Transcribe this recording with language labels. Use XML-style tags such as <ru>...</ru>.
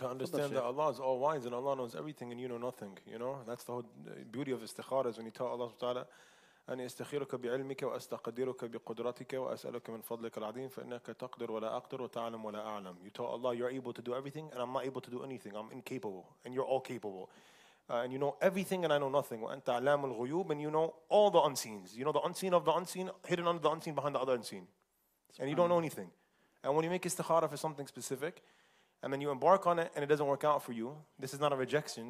<en>To understand that Allah is all wise and Allah knows everything and you know nothing. You know, that's the whole beauty of istikhara is when you tell Allah subhanahu wa ta'ala,</en> <ar>أني استخيرك بعلمك وأستقدرك بقدرتك وأسألك من فضلك العظيم فإنك تقدر ولا أقدر وتعلم ولا أعلم.</ar> <en>You tell Allah you're able to do everything and I'm not able to do anything. I'm incapable and you're all capable. And you know everything and I know nothing.</en> <ar>وأنت علام الغيوب</ar> <en>and you know all the unseens. You know the unseen of the unseen hidden under the unseen behind the other unseen. And you don't know anything. And when you make istikhara for something specific and then you embark on it and it doesn't work out for you, this is not a rejection.</en>